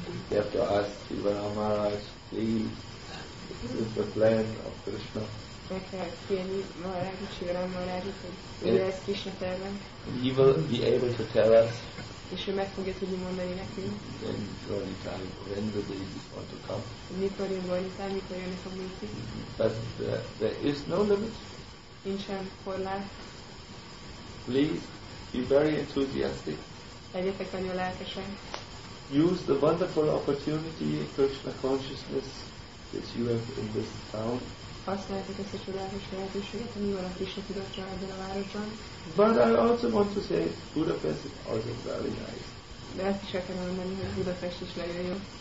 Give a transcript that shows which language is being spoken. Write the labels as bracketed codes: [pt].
[en] You have to ask Sivana Maharaj, please. This is the plan of Krishna. [hu] Meg kell kérni Maharaj, Sivana Maharaj, hogy mi lesz Krishna tervben. [en] And he will be able to tell us. [hu] És ő meg fogja tudni mondani nekünk. [en] When Gauri Thai, when the deities want to come. [hu] Mikor jön Gauri Thai, mikor jönnek a bíti. [en] But there is no limit. [hu] Nincsen korlát. [en] Please be very enthusiastic. [hu] Legyetek nagyon lelkesen. [en] Use the wonderful opportunity in Krishna consciousness that you have in this town. [hu] Használjátok ezt a csodálatos lehetőséget, ami van a Krishna tudatja ebben a városban. [en] But I also want to say Budapest is also very nice. [hu] De ezt is el kell mondani, hogy Budapest is legyen jó.